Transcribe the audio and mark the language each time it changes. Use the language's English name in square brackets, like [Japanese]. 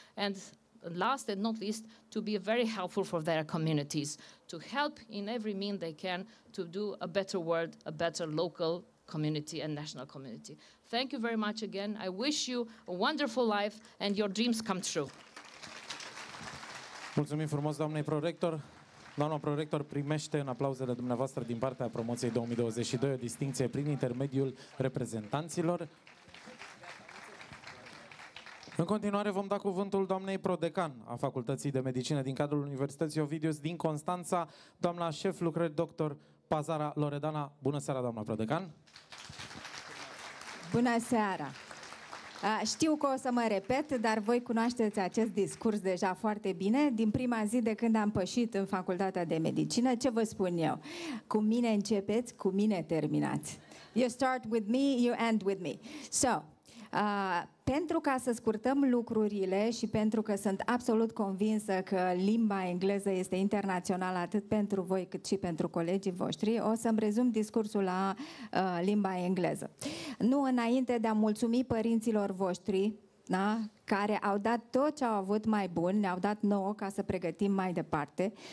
[English] And last and not least, to be very helpful for their communities, to help in every mean they can to do a better world, a better local community and national community. Thank you very much again. I wish you a wonderful life and your dreams come true. [Romanian] Mulțumim frumos, doamnei prorector. Doamna prorector primește în aplauzele dumneavoastră din partea promoției 2022 o distincție prin intermediul reprezentanților. În continuare vom da cuvântul doamnei prodecan a Facultății de Medicină din cadrul Universității Ovidius din Constanța, doamna șef lucrări dr. Pazara Loredana. Bună seara, doamna prodecan! Bună seara! Știu că o să mă repet, dar voi cunoașteți acest discurs deja foarte bine. Din prima zi de când am pășit în Facultatea de Medicină, ce vă spun eu? Cu mine începeți, cu mine terminați. [English] You start with me, you end with me. [Romanian] So, pentru ca să scurtăm lucrurile și pentru că sunt absolut convinsă că limba engleză este internațională atât pentru voi cât și pentru colegii voștri, o să-mi rezum discursul la limba engleză. Nu înainte de a mulțumi părinților voștri, da, care au dat tot ce au avut mai bun, ne-au dat nouă ca să pregătim mai departe.